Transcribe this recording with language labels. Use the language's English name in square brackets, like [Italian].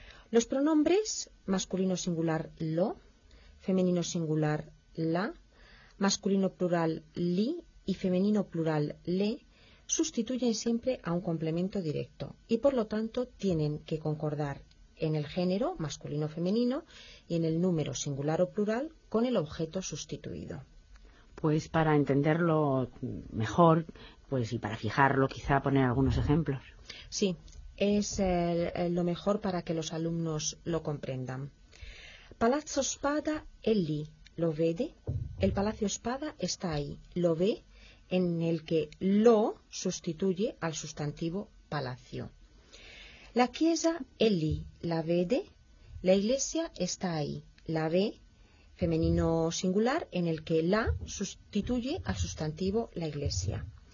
[Spanish] Los pronombres masculino singular lo, femenino singular la, masculino plural li y femenino plural le sustituyen siempre a un complemento directo y por lo tanto tienen que concordar en el género masculino femenino y en el número singular o plural con el objeto sustituido. Pues para entenderlo mejor, pues y para fijarlo quizá poner algunos ejemplos. Sí. Es lo mejor para que los alumnos lo comprendan. [Italian] Palazzo Spada è lì, lo vede? [Spanish] El Palacio Spada está ahí, lo ve? En el que lo sustituye al sustantivo palacio. [Italian] La chiesa è lì, la vede? [Spanish] La iglesia está ahí, la ve? Femenino singular en el que la sustituye al sustantivo la iglesia.